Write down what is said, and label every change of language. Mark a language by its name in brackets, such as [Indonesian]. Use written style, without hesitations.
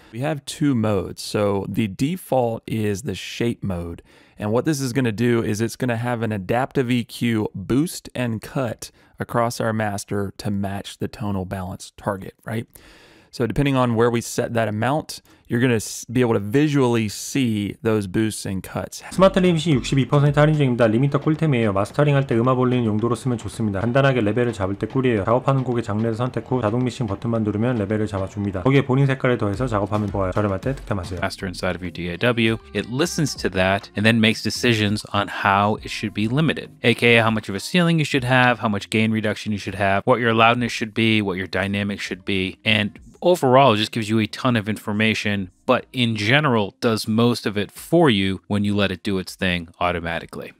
[English] We have two modes. So the default is the shape mode. And what this is going to do is it's going to have an adaptive EQ boost and cut across our master to match the tonal balance target, right? So depending on where we set that amount, you're going to be able to visually see those boosts and cuts. [Korean] 스마트 리밋이 62% 할인 중입니다. 리미터 꿀템이에요. 마스터링 할 때 음압 올리는 용도로 쓰면 좋습니다. 간단하게 레벨을 잡을 때 꿀이에요. 작업하는 곡의 장르를 선택 후 자동 믹싱 버튼만 누르면 레벨을 잡아줍니다. 거기에 본인 색깔을 더해서 작업하면 좋아요. 저렴할 때 득템하세요. [English] Master inside of your DAW, it listens to that and then makes decisions on how it should be limited. AKA how much of a ceiling you should have, how much gain reduction you should have, what your loudness should be, what your dynamic should be, and overall, it just gives you a ton of information, but in general, does most of it for you when you let it do its thing automatically.